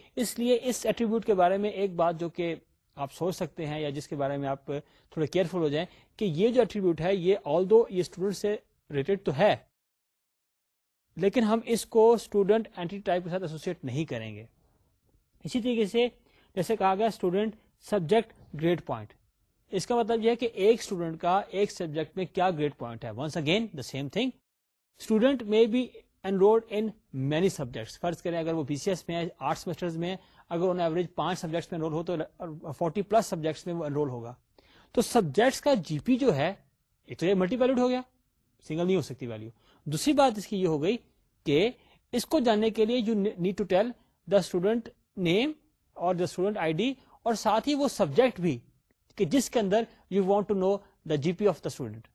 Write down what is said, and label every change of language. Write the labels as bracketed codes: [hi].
[ur] اس لیے اس ایٹریبیوٹ کے بارے میں ایک بات جو کہ آپ سوچ سکتے ہیں یا جس کے بارے میں آپ تھوڑے کیئرفل ہو جائیں کہ یہ جو ایٹریبیوٹ ہے یہ [en] although [ur] یہ اسٹوڈنٹ سے ریلیٹڈ تو ہے, لیکن ہم اس کو اسٹوڈنٹ اینٹی ٹائپ کے ساتھ ایسوسیٹ نہیں کریں گے. اسی طریقے سے جیسے کہا گیا اسٹوڈنٹ سبجیکٹ گریڈ پوائنٹ, اس کا مطلب یہ ہے کہ ایک اسٹوڈنٹ کا ایک سبجیکٹ میں کیا گریڈ پوائنٹ ہے. [en] Once again the same thing, student may be enrolled in many subjects. [ur] فرض کریں اگر وہ بی سی ایس میں ہے, آرٹس سیمسٹرز میں, اگر انہیں ایوریج پانچ سبجیکٹس میں انرول ہو تو 40 پلس سبجیکٹس میں وہ انرول ہوگا. تو سبجیکٹس کا جی پی جو ہے ایک تو یہ ملٹی ویلیوڈ ہو گیا, سنگل نہیں ہو سکتی ویلیو. دوسری بات اس کی یہ ہو گئی کہ اس کو جاننے کے لیے [en] you need to tell the student name اور the student I D, [ur] اور ساتھ ہی وہ سبجیکٹ بھی کہ جس کے اندر [en] You want to know the G P of the student.